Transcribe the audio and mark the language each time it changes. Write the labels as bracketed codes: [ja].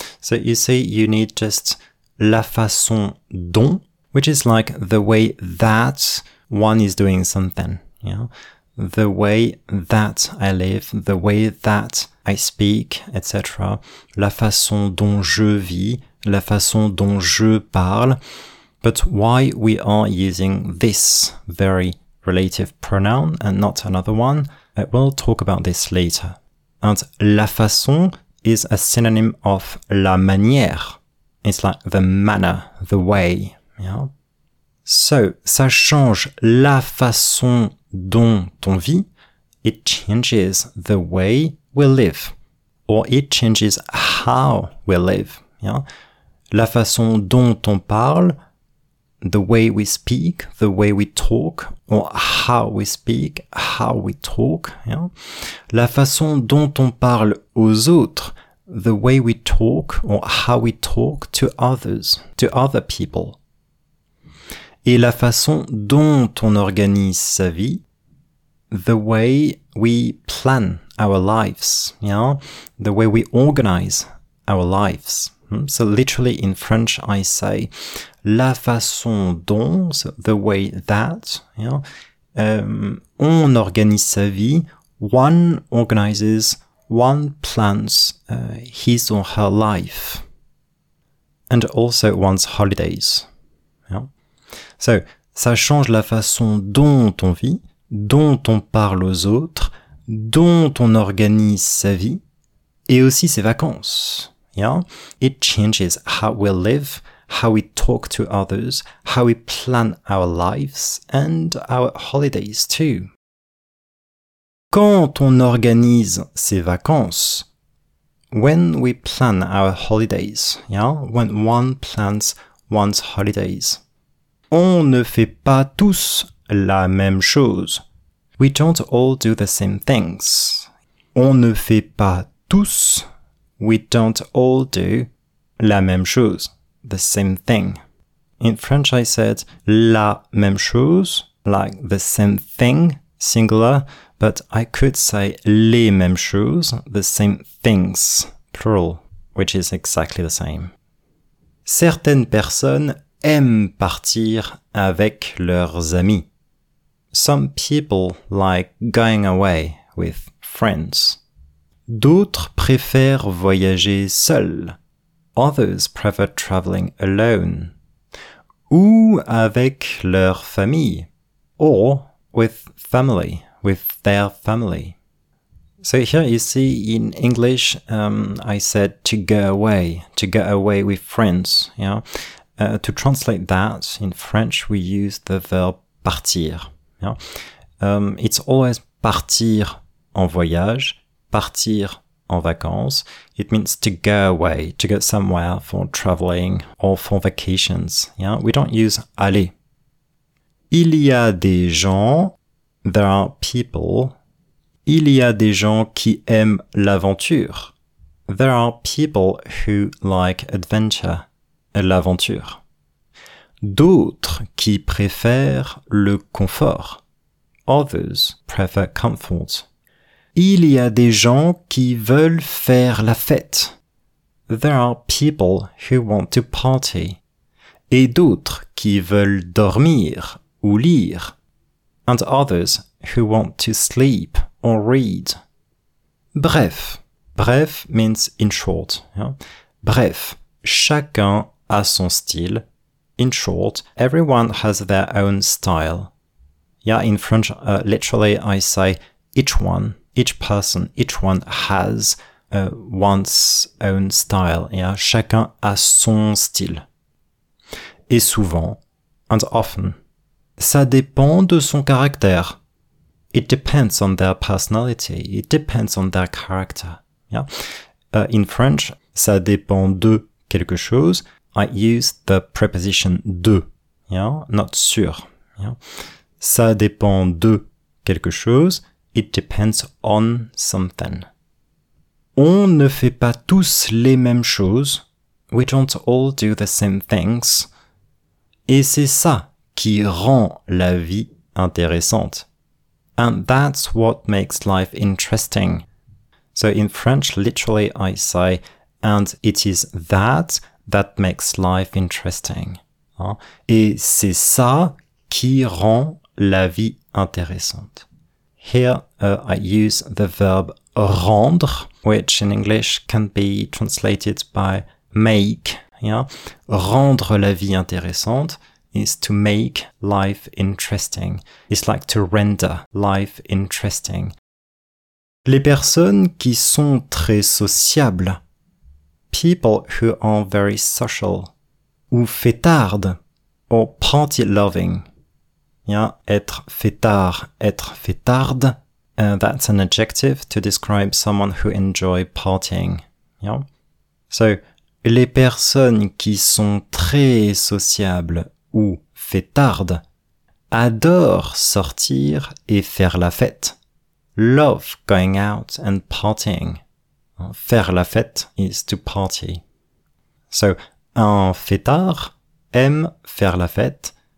[en] So you see, you need just [fr] la façon dont, [en] which is like the way that one is doing something. Yeah? The way that I live, the way that I speak, etc. [fr] La façon dont je vis, la façon dont je parle. [en] But why we are using this very relative pronoun and not another one, we'll talk about this later. And la façon is a synonym of la manière. It's like the manner, the way. Yeah. [fr] So, ça change la façon dont on vit. [en] It changes the way we live. Or it changes how we live. Yeah. [fr] La façon dont on parle, [en] the way we speak, the way we talk, or how we speak, how we talk. Yeah. [fr] La façon dont on parle aux autres, [en] the way we talk, or how we talk to others, to other people. [fr] Et la façon dont on organise sa vie, [en] the way we plan our lives, yeah? The way we organize our lives. So literally in French, I say, [fr] la façon dont, [en] so the way that, yeah? [fr] On organise sa vie, [en] one organizes, one plans his or her life, and also one's holidays. [fr] So, ça change la façon dont on vit, dont on parle aux autres, dont on organise sa vie, et aussi ses vacances. [en] Yeah? It changes how we live, how we talk to others, how we plan our lives, and our holidays too. [fr] Quand on organise ses vacances, [en] when we plan our holidays, yeah? When one plans one's holidays, [fr] on ne fait pas tous la même chose. [en] We don't all do the same things. [fr] On ne fait pas tous. [en] We don't all do [fr] la même chose. [en] The same thing. In French, I said [fr] la même chose, [en] like the same thing, singular, but I could say [fr] les mêmes choses, [en] the same things, plural, which is exactly the same. [fr] Certaines personnes aiment partir avec leurs amis. [en] Some people like going away with friends. [fr] D'autres préfèrent voyager seuls. [en] Others prefer traveling alone. [fr] Ou avec leur famille. [en] Or with family, with their family. So here you see in English, I said to go away with friends, yeah? To translate that, in French, we use the verb partir. Yeah? It's always [fr] partir en voyage, partir en vacances. [en] It means to go away, to go somewhere for traveling or for vacations. Yeah? We don't use aller. [fr] Il y a des gens, [en] there are people. [fr] Il y a des gens qui aiment l'aventure. [en] There are people who like adventure. [fr] L'aventure. D'autres qui préfèrent le confort. [en] Others prefer comfort. [fr] Il y a des gens qui veulent faire la fête. [en] There are people who want to party. [fr] Et d'autres qui veulent dormir ou lire. [en] And others who want to sleep or read. Bref. Bref means in short. Yeah? Bref. [fr] Chacun à son style. [en] In short, everyone has their own style. Yeah, in French, literally, I say each one, each person, each one has one's own style. [fr] Yeah, chacun a son style. Et souvent, [en] and often, [fr] ça dépend de son caractère. [en] It depends on their personality. It depends on their character. Yeah, in French, [fr] ça dépend de quelque chose. [en] I use the preposition de, yeah, not sur. Yeah. [fr] Ça dépend de quelque chose. [en] It depends on something. [fr] On ne fait pas tous les mêmes choses. [en] We don't all do the same things. [fr] Et c'est ça qui rend la vie intéressante. [en] And that's what makes life interesting. So in French, literally, I say, and it is that that makes life interesting. [fr] Et c'est ça qui rend la vie intéressante. [en] Here, I use the verb rendre, which in English can be translated by make. Yeah? [fr] Rendre la vie intéressante [en] is to make life interesting. It's like to render life interesting. [fr] Les personnes qui sont très sociables. [en] People who are very social. [fr] Ou fêtardes. [en] Or party loving. [fr] Yeah, être fêtard, être fêtarde. [en] That's an adjective to describe someone who enjoy partying. Yeah. [fr] So, les personnes qui sont très sociables ou fêtardes adorent sortir et faire la fête. [en] Love going out and partying. [fr] Faire la fête [en] is to party. [fr] So, un fêtard aime faire la fête.